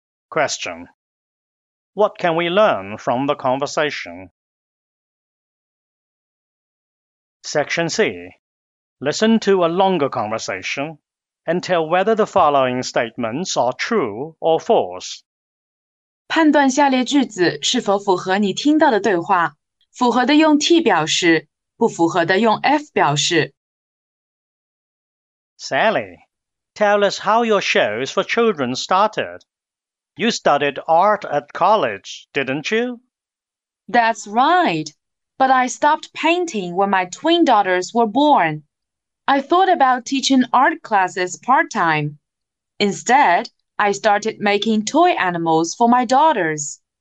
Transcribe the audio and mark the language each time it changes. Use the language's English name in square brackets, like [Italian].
[English] Question. What can we learn from the conversation? Section C. Listen to a longer conversation and tell whether the following statements are true or false. [Chinese] 判断下列句子是否符合你听到的对话。符合的用 T 表示，不符合的用 F 表示。 [English] Sally, tell us how your shows for children started. You studied art at college, didn't you? That's right. But I stopped painting when my twin daughters were born. I thought about teaching art classes part-time. Instead, I started making toy animals for my daughters.